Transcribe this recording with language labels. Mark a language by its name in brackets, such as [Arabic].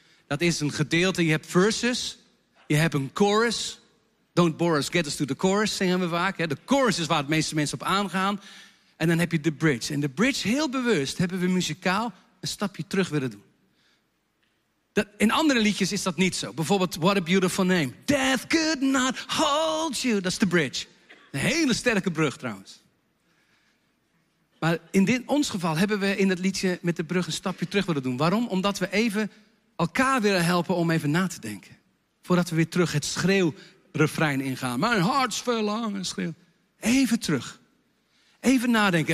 [Dutch] Dat is een gedeelte, je hebt verses, je hebt een chorus. [English] Don't bore us, get us to the chorus, [Dutch] zingen we vaak. De chorus is waar de meeste mensen op aangaan. En dan heb je de bridge. En de bridge, heel bewust, hebben we muzikaal een stapje terug willen doen. In andere liedjes is dat niet zo. Bijvoorbeeld, What a Beautiful Name. [English] Death could not hold you. [Dutch] Dat is de bridge. Een hele sterke brug trouwens. Maar in ons geval hebben we in het liedje met de brug een stapje terug willen doen. Waarom? Omdat we even elkaar willen helpen om even na te denken. Voordat we weer terug het schreeuwrefrein ingaan. Mijn hartsverlangen schreeuw. Even terug. Even nadenken.